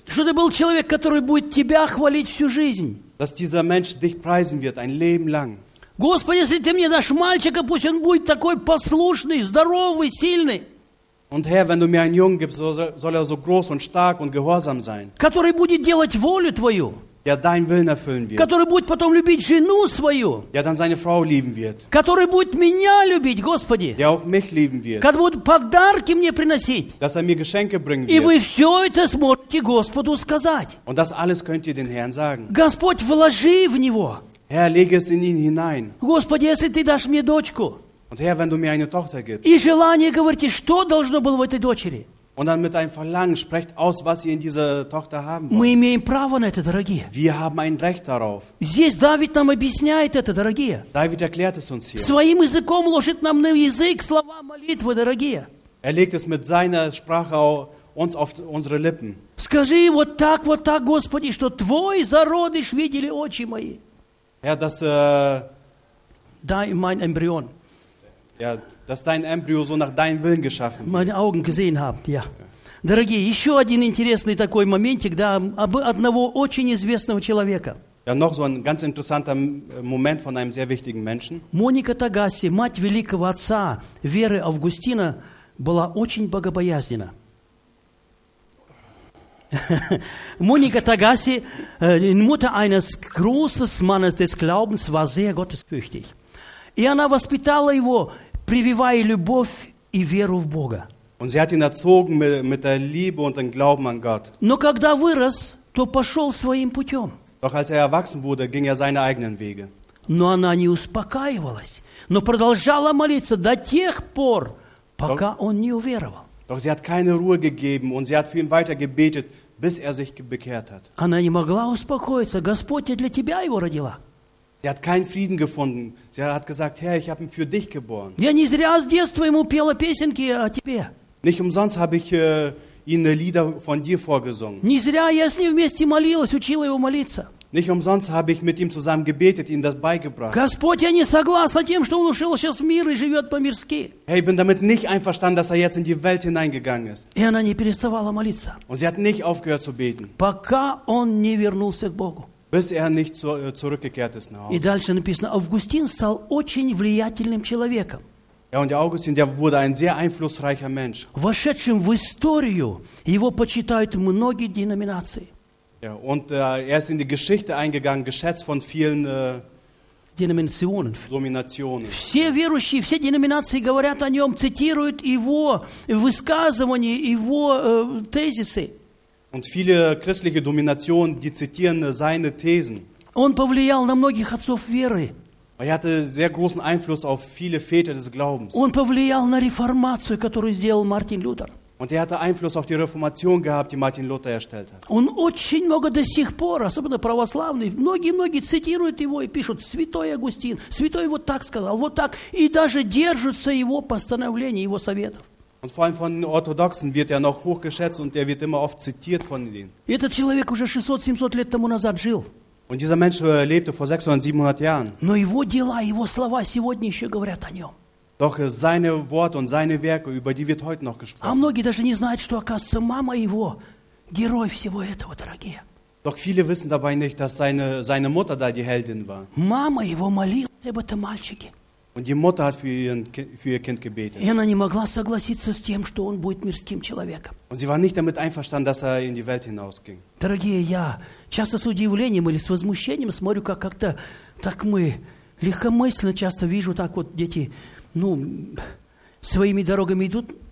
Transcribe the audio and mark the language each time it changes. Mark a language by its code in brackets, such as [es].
[ru] Что ты был человек, который будет тебя хвалить всю жизнь. [de] Dass dieser Mensch dich preisen wird ein Leben lang. [ru] Господи, если ты мне дашь мальчика, пусть он будет такой послушный, здоровый, сильный. [de] Und Herr, wenn du mir einen Jungen gibst, soll er so groß und stark und gehorsam sein. [ru] Который будет делать волю твою. [de] Der deinen Willen erfüllen wird. [ru] Который будет потом любить жену свою. [de] Der dann seine Frau lieben wird. [ru] Который будет меня любить, Господи. [de] Der auch mich lieben wird. [ru] Который будет подарки мне приносить. [de] Dass er mir Geschenke bringen [ru] И [de] wird. [ru] И вы все это сможете Господу сказать. [de] Und das alles könnt ihr den Herrn sagen. [ru] Господь, вложи в него. [de] Herr, lege es in ihn hinein. [ru] Господи, если ты дашь мне дочку. [de] Und Herr, wenn du mir eine Tochter gibst. [ru] И желание, говорите, что должно было в этой дочери. [de] Und dann mit einem Verlangen sprecht aus, was ihr in dieser Tochter haben wollt. [ru] Мы имеем право на это, дорогие. [de] Wir haben ein Recht darauf. [ru] Здесь Давид нам объясняет это, дорогие. [de] David erklärt es uns hier. [ru] Своим языком ложит нам на язык слова молитвы, дорогие. [de] Er legt es mit seiner Sprache uns auf unsere Lippen. [ru] Скажи вот так, Господи, что твой зародыш видели очи мои. [de] Ja, dass mein Embryon. Ja. Dass dein Embryo so nach deinem Willen geschaffen wird. Meine Augen gesehen haben, ja. [ru] Дорогие, еще один интересный такой моментик, да, об одного очень известного человека. [de] Ja, noch so ein ganz interessanter Moment von einem sehr wichtigen Menschen. [ru] Моника Тагаси, мать великого отца Веры Августина, была очень богобоязнена. [de] Моника Тагаси, Mutter eines großen Mannes des Glaubens, war sehr gottesfürchtig. [ru] И она воспитала его, прививая любовь и веру в Бога. [de] Und sie hat ihn erzogen mit der Liebe und dem Glauben an Gott. [ru] Но когда вырос, то пошел своим путем. [de] Doch als er erwachsen wurde, ging er seine eigenen Wege. [ru] Но она не успокаивалась, но продолжала молиться до тех пор, пока он не уверовал. [de] Doch sie hat keine Ruhe gegeben und sie hat für ihn weiter gebetet, bis er sich bekehrt hat. [ru] Она не могла успокоиться. Господь для тебя его родила. [de] Sie hat keinen Frieden gefunden. Sie hat gesagt, Herr, ich habe ihn für dich geboren. [ru] Я не зря с детства ему пела песенки о тебе. [de] Nicht umsonst habe ich ihm Lieder von dir vorgesungen. [ru] Не зря я с ним вместе молилась, учила его молиться. [de] Nicht umsonst habe ich mit ihm zusammen gebetet, ihm das beigebracht. [ru] Господь, я не согласен тем, что он ушел сейчас в мир и живет по-мирски. [de] Hey, ich bin damit nicht einverstanden, dass er jetzt in die Welt hineingegangen ist. [ru] И она не переставала молиться. [de] Und sie hat nicht aufgehört zu beten. [ru] Пока он не вернулся к Богу. [de] Bis er nicht zurückgekehrt ist nach Hause. [ru] И дальше написано, Августин стал очень влиятельным человеком. [de] Ja, und Augustin, der wurde ein sehr einflussreicher Mensch. [ru] Вошедшим в историю, его почитают многие деноминации. [de] Ja, und er ist in die Geschichte eingegangen, geschätzt von vielen Denominationen. [ru] Все верующие, все деноминации говорят о нем, цитируют его высказывания, его тезисы. [de] Und viele christliche Dominationen, die zitieren seine Thesen. [ru] Он повлиял на многих отцов веры. [de] Er hatte sehr großen Einfluss auf viele Väter des Glaubens. [ru] Он повлиял на реформацию, которую сделал Мартин Лютер. [de] Und er hatte Einfluss auf die Reformation gehabt, die Martin Luther erstellt hat. [ru] Он очень много до сих пор, особенно православные, многие цитируют его и пишут: «Святой Августин, святой вот так сказал, вот так», и даже держатся его постановления, его советов. [de] Und vor allem von den Orthodoxen wird er noch hochgeschätzt und er wird immer oft zitiert von ihnen. [ru] Этот человек уже 600-700 лет тому назад жил. [de] Und dieser Mensch lebte vor 600-700 Jahren. [ru] Но его дела, его слова сегодня еще говорят о нем. [de] Doch seine Worte und seine Werke, über die wird heute noch gesprochen. [ru] А многие даже не знают, что оказывается мама его герой всего этого, дорогие. [de] Doch viele wissen dabei nicht, dass seine Mutter da die Heldin war. [ru] Мама его молилась об этом мальчике. [de] Und die Mutter hat für ihr Kind gebetet. [ru] И она не могла согласиться с тем, что он будет мирским человеком. [de] Und sie war nicht damit einverstanden, dass er in die Welt hinausging. [ru] Дорогие, я часто с удивлением или с возмущением смотрю, как-то так мы легкомысленно часто вижу, так вот дети, ну, своими дорогами идут.